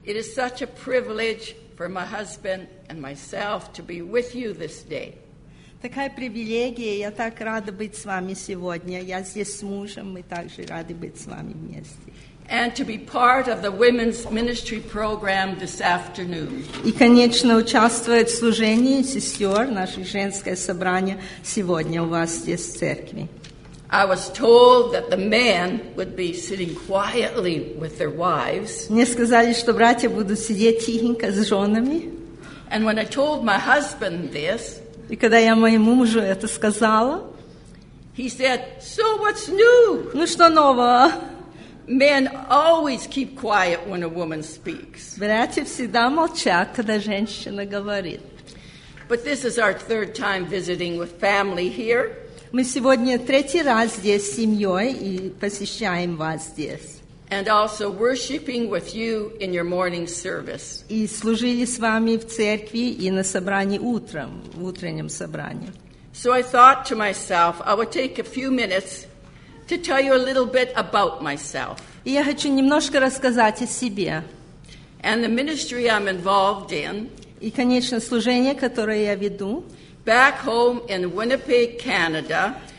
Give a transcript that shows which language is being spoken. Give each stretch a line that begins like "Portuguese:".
English: It is such a privilege for my husband and myself to be with you this day.
Russian: Такая привилегия, я так рада быть с вами сегодня. Я здесь с мужем, мы также рады быть с вами вместе.
English: And to be part of the women's ministry program this afternoon.
Russian: И, конечно, участвовать в служении сестер, наше женское собрание сегодня у вас здесь в церкви.
English: I was told that the men would be sitting quietly with their wives.
Russian: Мне сказали, что братья будут сидеть тихенько с женами.
English: And when I told my husband this,
Russian: и когда я моему мужу это сказала,
English: he said, "So what's new?"
Russian: Ну что нового?
English: Men always keep quiet when a woman speaks.
Russian: Братья всегда молчат, когда женщина говорит.
English: But this is our third time visiting with family here.
Russian: Мы сегодня третий раз здесь с семьей и посещаем вас здесь.
English: And also worshiping with you in your morning service.
Russian: И служили с вами в церкви и на собрании утром, в утреннем собрании.
English: So I thought to myself, I would take a few minutes to tell you a little bit about myself.
Russian: И я хочу немножко рассказать о себе.
English: And the ministry I'm involved in.
Russian: И, конечно, служение, которое я веду.
English: Back home in Winnipeg, Canada.